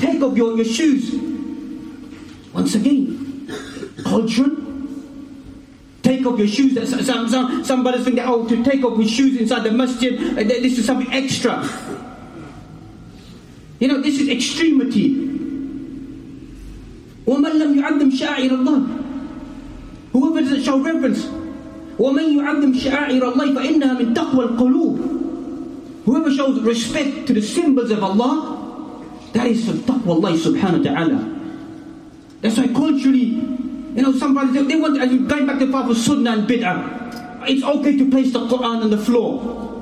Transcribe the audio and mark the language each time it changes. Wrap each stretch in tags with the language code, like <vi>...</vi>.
<en>Take off your shoes. Once again, culture. take off your shoes. Some brothers think that, oh, to take off your shoes inside the masjid, this is something extra. You know, this is extremity.</en> <ar>وَمَنْ لَمْ يُعَظِّمْ شَعَائِرَ اللَّهِ</ar> <en>Whoever doesn't show reverence.</en> <ar>وَمَنْ يُعَظِّمْ شَعَائِرَ اللَّهِ فَإِنَّهَا مِنْ تَقْوَى الْقُلُوبِ</ar> <en>Whoever shows respect to the symbols of Allah, that is from taqwa Allah subhanahu wa ta'ala. That's why culturally, you know, some brothers, they want, as you going back to the path of sunnah and bid'ah, it's okay to place the Qur'an on the floor.</en>